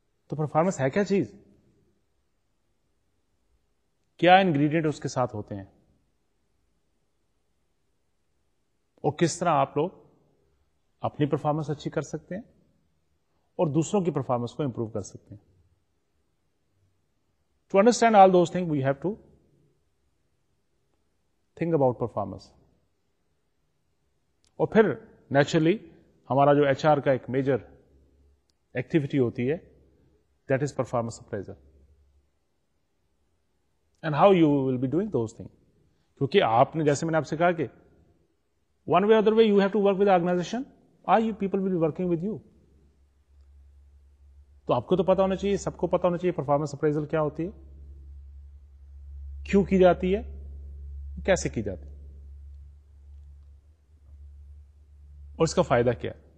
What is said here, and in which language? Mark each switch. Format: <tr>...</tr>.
<ur>تو پرفارمنس ہے کیا چیز, کیا انگریڈینٹ اس کے ساتھ ہوتے ہیں اور کس طرح آپ لوگ اپنی پرفارمنس اچھی کر سکتے ہیں اور دوسروں کی پرفارمنس کو امپروو کر سکتے ہیں.</ur> <en>To understand all those things, we have to think about performance.</en> <ur>اور پھر</ur> <en>naturally</en> <ur>ہمارا جو ایچ آر کا ایک میجر ایکٹیویٹی ہوتی ہے,</ur> <en>That is performance appraisal and how you will be doing those thing.</en> <ur>کیونکہ آپ نے جیسے میں نے آپ سے کہا کہ</ur> <en>one way other way you have to work with organization, are you people will be working with you,</en> <ur>تو آپ کو تو پتا ہونا چاہیے, سب کو پتا ہونا چاہیے پرفارمنس اپریزل کیا ہوتی ہے, کیوں کی جاتی ہے, کیسے کی جاتی ہے اور اس کا فائدہ کیا.</ur>